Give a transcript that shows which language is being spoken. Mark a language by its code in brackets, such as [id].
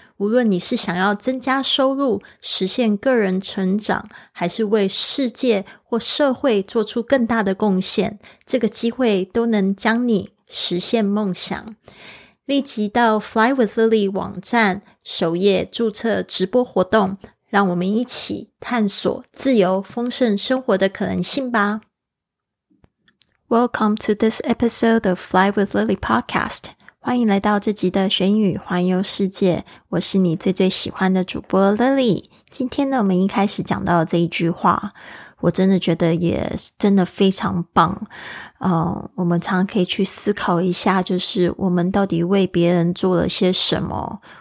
[zh] 无论你是想要增加收入，实现个人成长，还是为世界或社会做出更大的贡献，这个机会都能将你实现梦想。立即到 Fly with Lily 网站首页注册直播活动，让我们一起探索自由丰盛生活的可能性吧。 [en] Welcome to this episode of Fly with Lily podcast. [zh] 欢迎来到这集的学英语环游世界，我是你最最喜欢的主播 Lily。今天呢，我们一开始讲到这一句话，我真的觉得也真的非常棒。我们常常可以去思考一下，就是我们到底为别人做了些什么。